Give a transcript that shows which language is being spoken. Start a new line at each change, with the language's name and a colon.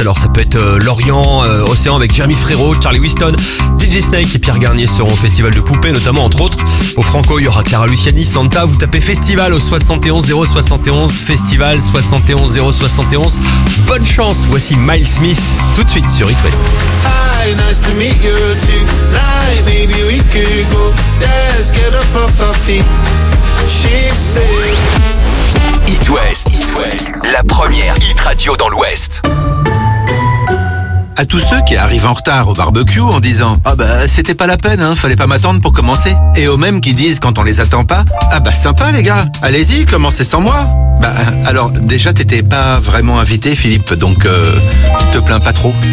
French: Alors ça peut être Lorient, Océan avec Jeremy Frérot, Charlie Winston, DJ Snake et Pierre Garnier seront au festival de poupées, notamment entre autres. Au Franco, il y aura Clara Luciani, Santa. Vous tapez festival au 71 071, festival 71 071. Bonne chance, voici Miles Smith tout de suite sur It West.
English: Hi, nice to meet you tonight. Maybe we could go dance, get up off our feet. She said
French: It West. It West, la première hit radio dans l'Ouest. À tous ceux qui arrivent en retard au barbecue en disant « Ah bah c'était pas la peine, hein, fallait pas m'attendre pour commencer. » Et aux mêmes qui disent quand on les attend pas « Ah bah sympa les gars, allez-y, commencez sans moi. » Bah alors déjà t'étais pas vraiment invité Philippe, donc te plains pas trop.